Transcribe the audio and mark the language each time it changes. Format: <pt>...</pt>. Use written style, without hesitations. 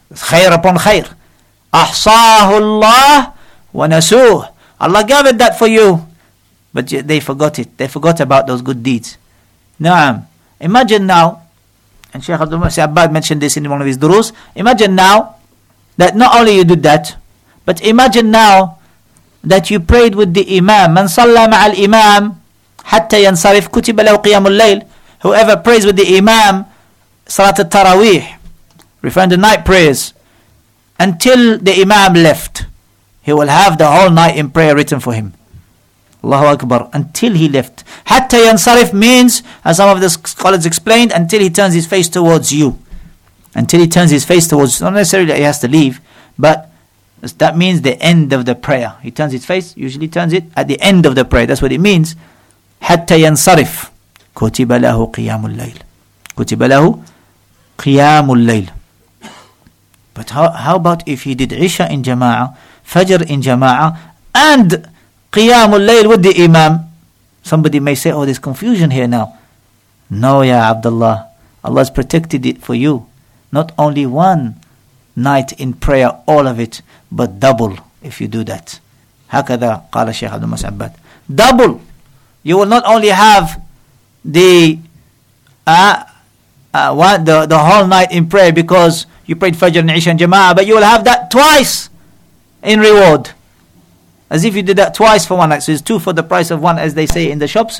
<en>It's khair upon khair.</en> <ar>أحصاه الله ونسوه,</ar> <en>Allah gave it that for you, but they forgot it. They forgot about those good deeds. Naam. Imagine now, and Shaykh Abdul Masih Abbad mentioned this in one of his durus. Imagine now that not only you did that, but imagine now that you prayed with the imam.</en> <ar>من صلى مع الإمام حتى ينصرف كتب له قيام الليل.</ar> <en>Whoever prays with the imam, Salat al-Tarawih, referring to night prayers, until the imam left, he will have the whole night in prayer written for him. Allahu Akbar. Until he left.</en> <ar>Hatta yansarif</ar> <en>means, as some of the scholars explained, until he turns his face towards you. Until he turns his face towards you. Not necessarily that he has to leave, but That means the end of the prayer. He turns his face, usually turns it at the end of the prayer. That's what it means.</en> <ar>حتى ينصرف كتب له قيام الليل. كتب له قيام الليل.</ar> <en>But how about if he did عشاء in jama'ah, فجر in jama'ah, and قيام الليل with the imam? Somebody may say, oh, there's confusion here now. No, ya Abdullah. Allah has protected it for you. Not only one night in prayer, all of it, but double if you do that.</en> <ar>هكذا قال الشيخ عبد المسعود عباد.</ar> <en>Double. You will not only have the whole night in prayer because you prayed Fajr and Isha and Jama'ah, but you will have that twice in reward. As if you did that twice for one night. So it's two for the price of one, as they say in the shops.</en>